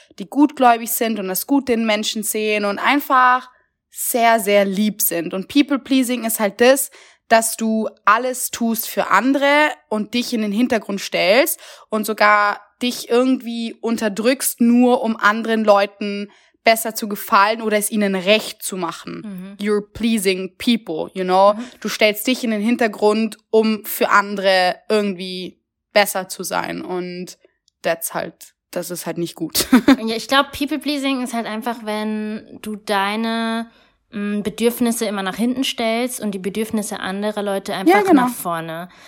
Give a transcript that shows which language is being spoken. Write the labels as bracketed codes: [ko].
[de] Die gutgläubig sind und das Gute in Menschen sehen und einfach sehr, sehr lieb sind. Und People-Pleasing ist halt das, dass du alles tust für andere und dich in den Hintergrund stellst und sogar dich irgendwie unterdrückst, nur um anderen Leuten besser zu gefallen oder es ihnen recht zu machen. [en] You're pleasing people, you know? [de] Du stellst dich in den Hintergrund, um für andere irgendwie besser zu sein. Und das ist halt nicht gut. Ja, ich glaube, people pleasing ist halt einfach, wenn du deine Bedürfnisse immer nach hinten stellst und die Bedürfnisse anderer Leute einfach nach vorne.